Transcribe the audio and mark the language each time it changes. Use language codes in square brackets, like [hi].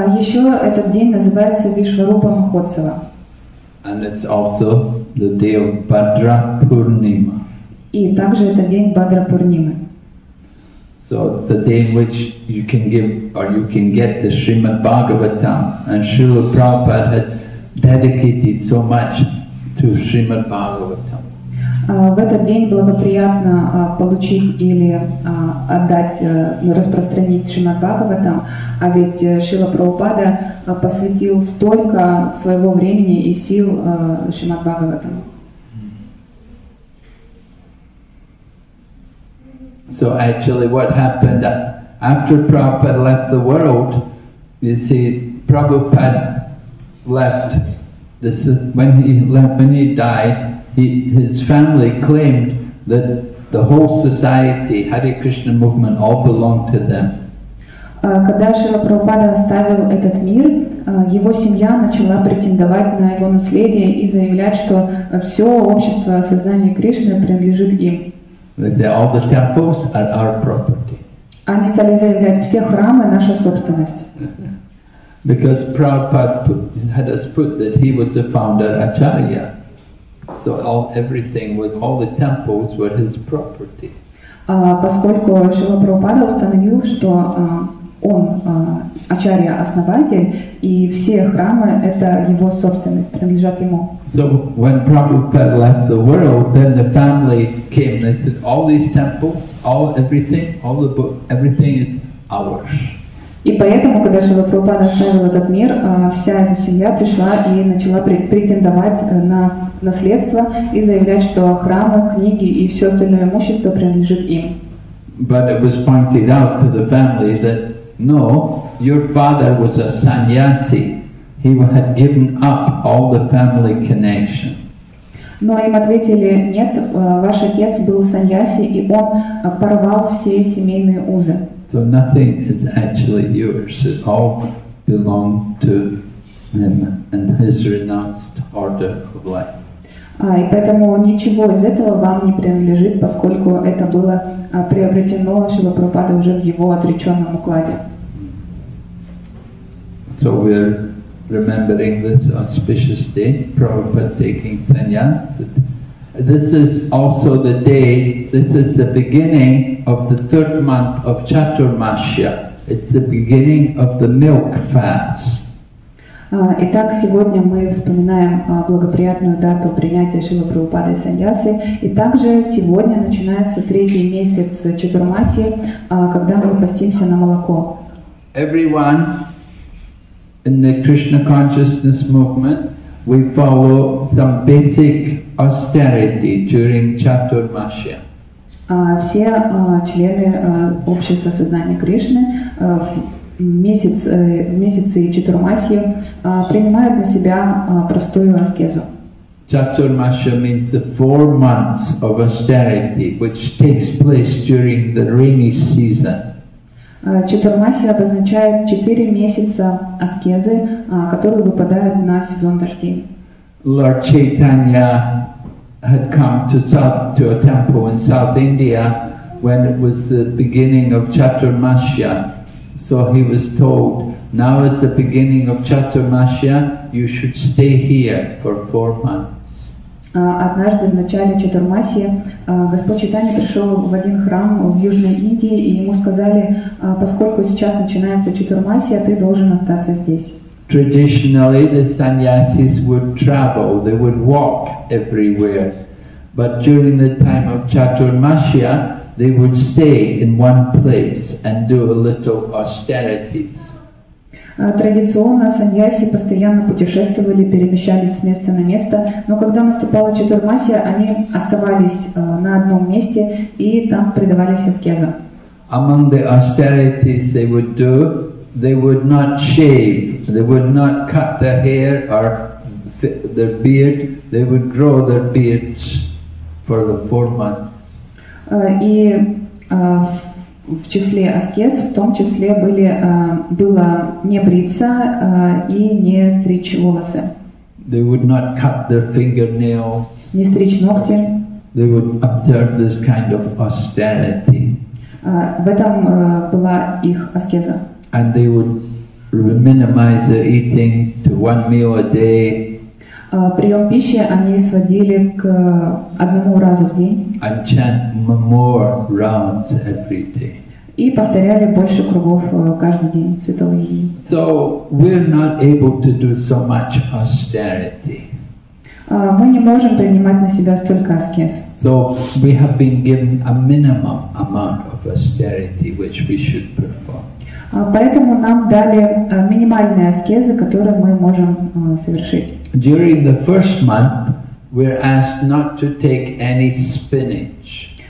[ru] Еще этот день называется Вишварупа Махотсава. [en] And it's also the day of Бхадра Пурнима. [ru] И также это день Бхадра Пурнимы. [en] So the day in which you can give or you can get the Srimad Bhagavatam, and Srila Prabhupada had dedicated so much to Srimad Bhagavatam. [ru] В этот день благоприятно получить или отдать, распространить Шримад Бхагаватам, а ведь Шрила Прабхупада посвятил столько своего времени и сил Шримад Бхагаватам. [en] So actually what happened after Prabhupada left the world, you see, Prabhupada left, when he died, his family claimed that the whole society, Hare Krishna movement, all belonged to them. [ru] Когда Шрила Прабхупада оставил этот мир, его семья начала претендовать на его наследие и заявлять, что все общество сознания Кришны принадлежит им. [en] All the temples are our property. [ru] Они стали заявлять, все храмы — наша собственность. [en] Because Prabhupada had us put that he was the founder Acharya. So everything with all the temples were his property. [ru] Поскольку Шрила Прабхупада установил, что он Ачарья основатель, и все храмы это его собственность, принадлежат ему. [en] So when Prabhupada left the world, then the family came and said, all these temples, everything is ours. [ru] И поэтому, когда Шрила Прабхупада оставил этот мир, вся его семья пришла и начала претендовать на наследство и заявлять, что храмы, книги и все остальное имущество принадлежит им. [en] But it was pointed out to the family that no, your father was a sannyasi. He had given up all the family connection. [ru] Но им ответили, нет, ваш отец был саньяси, и он порвал все семейные узы. [en] So nothing is actually yours. It all belonged to him and his renounced order of life. [ru] И поэтому ничего из этого вам не принадлежит, поскольку это было приобретено Шрила Прабхупадой уже в его отреченном укладе. [en] So we're remembering this auspicious day, Prabhupada taking sannyas. This is also the day, this is the beginning of the third month of Chaturmasya. It's the beginning of the milk fast. [ru] Итак, сегодня мы вспоминаем благоприятную дату принятия Шрилы Прабхупады и саньясы. И также сегодня начинается третий месяц Чатурмаси, когда мы постимся на молоко. [en] Everyone in the Krishna consciousness movement, we follow some basic austerity during Чатурмасия. [ru] Все члены общества сознания Кришны в месяцы Чатурмасия принимают на себя простую аскезу. [en] Чатурмасия means the 4 months of austerity, which takes place during the rainy season. [ru] Чатурмасия обозначает 4 месяца аскезы, которые выпадают на сезон дождей. [en] Lord Chaitanya had come to a temple in South India when it was the beginning of Чатурмасия. So he was told, now is the beginning of Чатурмасия, you should stay here for 4 months. [ru] Однажды в начале Чатурмасии Господь Чайтанья пришел в один храм в Южной Индии, и ему сказали, поскольку сейчас начинается Чатурмасия, ты должен остаться здесь. [en] Traditionally the sannyasis would travel, they would walk everywhere. But during the time of Чатурмасия, they would stay in one place and do a little austerities. [ru] Традиционно саньяси постоянно путешествовали, перемещались с места на место, но когда наступала Чатурмасия, они оставались на одном месте и там предавались аскезам. [en] Among the austerities they would do, they would not shave, they would not cut their hair or their beard, they would grow their beards for the 4 months. [ru] В числе аскез, в том числе были, было не бриться и не стричь волосы. [en] They would not cut their fingernails. [ru] Не стричь ногти. [en] They would observe this kind of austerity. [ru] В этом была их аскеза. [en] And they would minimize their eating to one meal a day. [ru] Прием пищи они сводили к одному разу в день. [en] And chant more rounds every day. [ru] И повторяли больше кругов каждый день святого имени. [en] So we're not able to do so much austerity. [ru] Мы не можем принимать на себя столько аскез. [en] So we have been given a minimum amount of austerity which we should perform. [ru] Поэтому нам дали минимальные аскезы, которые мы можем совершить. [en] During the first month, we're asked not to take any spinach.